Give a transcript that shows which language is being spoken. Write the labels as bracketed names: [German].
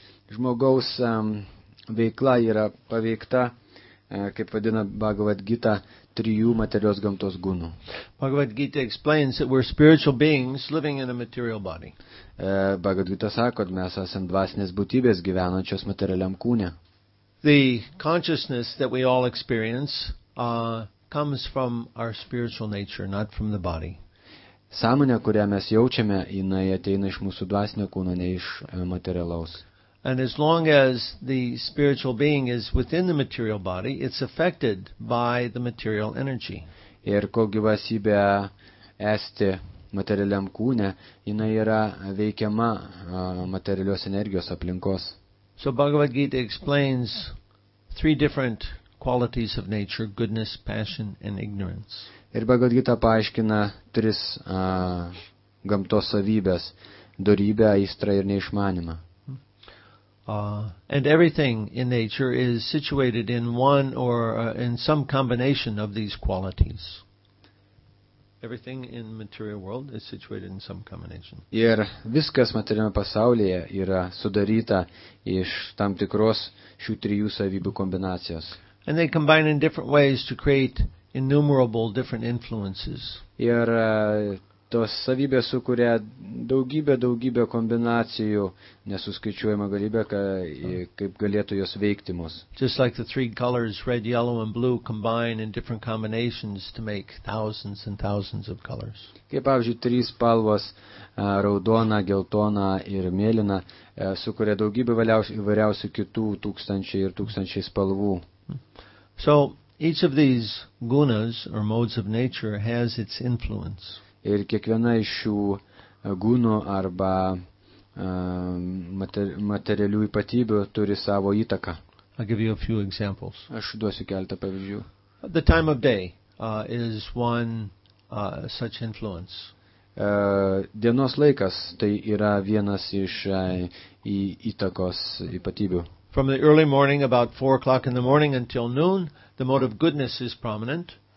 [Lithuanian] Žmogaus veikla yra paveikta, kaip vadina Bhagavad Gita, trijų materialios gamtos gunų. [English] Bhagavad Gita explains that we're spiritual beings living in a material body. [Lithuanian] Bhagavad Gita sako, kad mes esam dvasinės būtybės gyvenančios materialiam kūne. [English] The consciousness that we all experience comes from our spiritual nature, not from the body. [Lithuanian] Sąmonė, kurią mes jaučiame, jinai ateina iš mūsų dvasinio kūno, ne iš materialaus. [English] And as long as the spiritual being is within the material body, it's affected by the material energy. [Lithuanian] Ir kol gyvasybė esti materialiam kūne, jinai yra veikiama materialios energijos aplinkos. [English] So Bhagavad Gita explains three different qualities of nature: goodness, passion, and ignorance. [Lithuanian] Ir Bhagavad Gita paaiškina tris gamtos savybes: dorybę, aistrą ir neišmanimą. [English] And everything in nature is situated in one or in some combination of these qualities. Everything in the material world is situated in some combination. [Lithuanian] Ir viskas materialiame pasaulyje yra sudaryta iš tam tikros šių trijų savybių kombinacijos. [English] And they combine in different ways to create innumerable different influences. [Lithuanian] Ir tos savybės sukuria daugybę kombinacijų, nesuskaičiuojama galybė, kaip galėtų jos veikti mus. [English] Just like the three colors, red, yellow and blue, combine in different combinations to make thousands and thousands of colors. [Lithuanian] Kaip pavyzdžiui, trys spalvos, raudona, geltona ir mėlyna, sukuria daugybę įvairiausių kitų tūkstančiai ir tūkstančiai spalvų. [English] So each of these gunas or modes of nature has its influence. [Lithuanian] Ir kiekviena iš šių gūnų arba materialių ypatybių turi savo įtaką. [English] I'll give you a few examples. [Lithuanian] Aš duosiu keletą pavyzdžių. [English] The time of day is one such influence. [Lithuanian] Dienos laikas tai yra vienas iš įtakos ypatybių. [English] From the early morning, about 4 o'clock in the morning, until noon, the mode of goodness is prominent.